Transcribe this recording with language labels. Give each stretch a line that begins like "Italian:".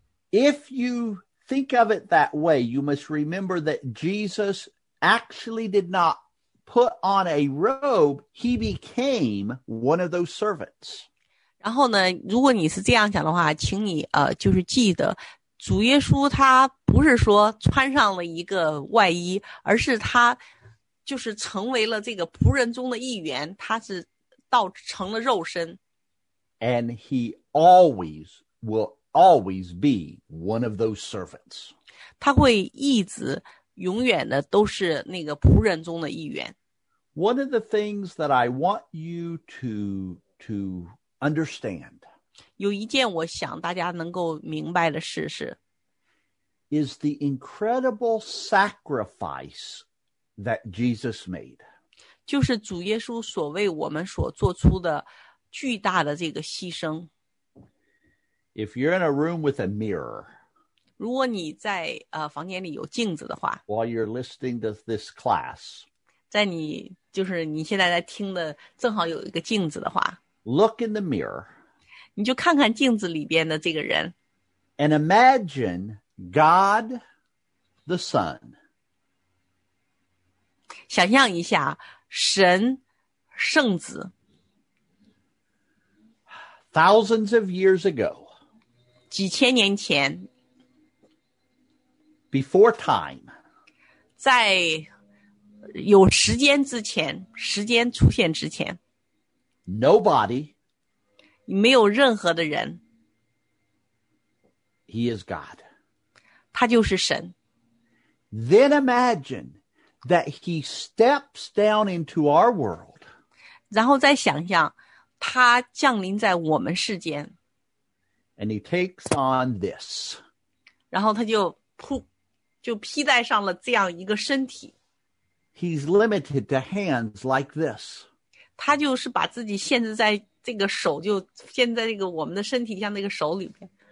English: If you think of it that way, you must remember that Jesus actually did not put on a robe. He became one of those servants.
Chinese: 然后呢，如果你是这样想的话，请你就是记得。主耶稣他不是说穿上了一个外衣，而是他就是成为了这个仆人中的一员，他是道成了肉身。
English: And he always will always be one of those servants.
Chinese: 他会一直永远的都是那个仆人中的一员。
English: One of the things that I want you to understand.
Chinese: 有一件我想大家能够明白的事是
English: is the incredible sacrifice that Jesus made.
Chinese: 就是主耶稣所为我们所做出的巨大的这个牺牲。
English: If you're in a room with a mirror,
Chinese: 如果你在房间里有镜子的话
English: while you're listening to this class,
Chinese: 在你就是你现在在听的正好有一个镜子的话
English: look in the mirror,
Chinese: 你就看看镜子里边的这个人。
English: And imagine God the Son.
Chinese: 想象一下神圣子。
English: Thousands of years ago.
Chinese: 几千年前。
English: Before time.
Chinese: 在有时间之前，时间出现之前。
English: Nobody.
Chinese: 没有任何的人。
English: He is God.
Chinese: 他就是神。
English: Then imagine that he steps down into our world.
Chinese: 然后再想象他降临在我们世间。
English: And he takes on this.
Chinese: 然后他就披戴上了这样一个身体。
English: He's limited to hands like this.
Chinese: 他就是把自己限制在这个手，就限在这个我们的身体像那个手里面。